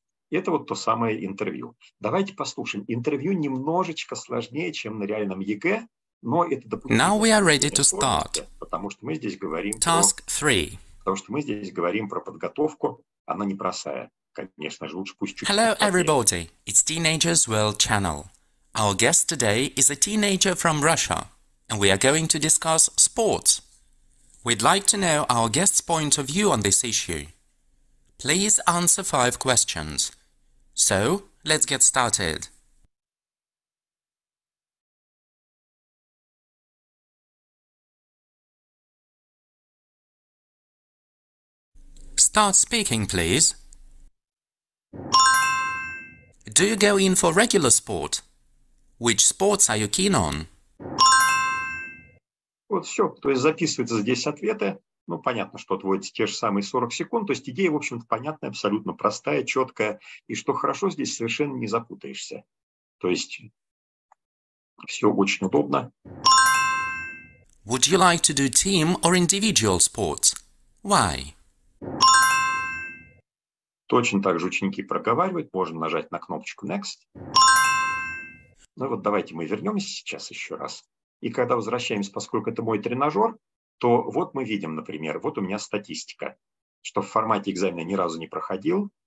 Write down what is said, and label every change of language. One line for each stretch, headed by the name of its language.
Russian: Это вот то самое интервью. Давайте послушаем. Интервью немножечко сложнее, чем на реальном ЕГЭ, но это допустим.
English: Now we are ready to start.
Russian: Потому что мы здесь говорим
English: Task
Russian: про...
English: three.
Russian: Потому что мы здесь говорим про подготовку. Она непростая, конечно же. Лучше пусть чуть
English: Hello, everybody. It's Teenagers World Channel. Our guest today is a teenager from Russia, and we are going to discuss sports. We'd like to know our guest's point of view on this issue. Please answer 5 questions. So, let's get started. Start speaking, please. Do you go in for regular sport? Which sports are you keen on?
Russian: Вот все, то есть записываются здесь ответы. Ну, понятно, что отводятся те же самые 40 секунд. То есть идея, в общем-то, понятная, абсолютно простая, четкая. И что хорошо, здесь совершенно не запутаешься. То есть все очень удобно.
English: Would you like to do team or individual sports? Why?
Russian: Точно так же ученики проговаривают. Можем нажать на кнопочку Next. Ну вот давайте мы вернемся сейчас еще раз. И когда возвращаемся, поскольку это мой тренажер, то вот мы видим, например, вот у меня статистика, что в формате экзамена ни разу не проходил.